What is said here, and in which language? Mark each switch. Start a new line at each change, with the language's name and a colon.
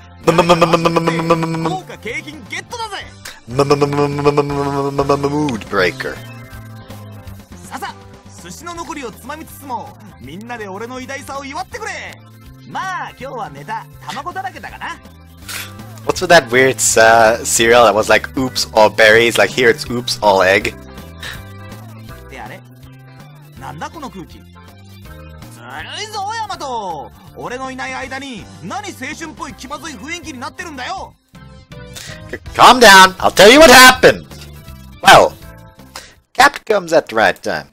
Japanese: 豪華景品ゲットだぜ。
English: Mood breaker.
Japanese: 寿司の残りをつまみつつも、みんなで俺の偉大さを祝ってくれ。まあ今日はネタ卵だらけだかな。
English: What's with that weird cereal that was like oops all berries? Like here it's oops all egg.
Japanese: で、あれ、なんだこの空気。ずるいぞ大和。俺のいない間に何青春っぽい気まずい雰囲気になってるんだよ。
English: Calm down. I'll tell you what happened. Well. Cap comes at the right time.